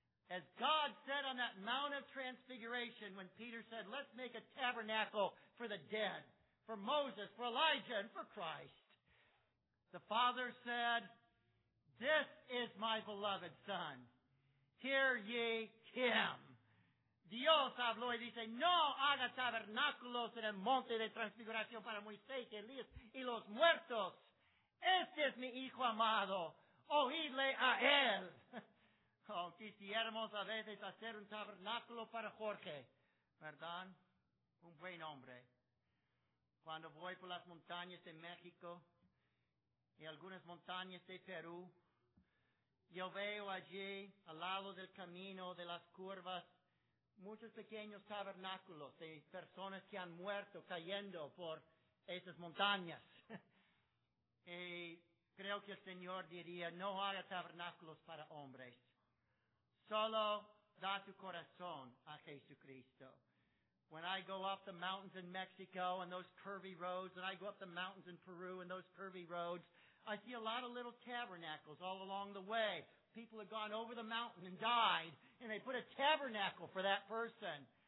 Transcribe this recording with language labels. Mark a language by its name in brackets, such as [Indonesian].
[English] As God said on that Mount of Transfiguration when Peter said, let's make a tabernacle for the dead, for Moses, for Elijah, and for Christ. The Father said, this is my beloved Son. Hear ye him. [Spanish] Dios habló y dice, no haga tabernáculos en el monte de transfiguración para Moisés, Elías y los muertos. Este es mi hijo amado. Oídle a él. Oh, quisiéramos a veces hacer un tabernáculo para Jorge, ¿verdad? Un buen hombre. Cuando voy por las montañas de México y algunas montañas de Perú, yo veo allí, al lado del camino, de las curvas, muchos pequeños tabernáculos de personas que han muerto cayendo por esas montañas. Y creo que el Señor diría, no haga tabernáculos para hombres. Solo da tu corazón a Jesucristo. [English] When I go up the mountains in Mexico and those curvy roads, and I go up the mountains in Peru and those curvy roads, I see a lot of little tabernacles all along the way. People have gone over the mountain and died, and they put a tabernacle for that person.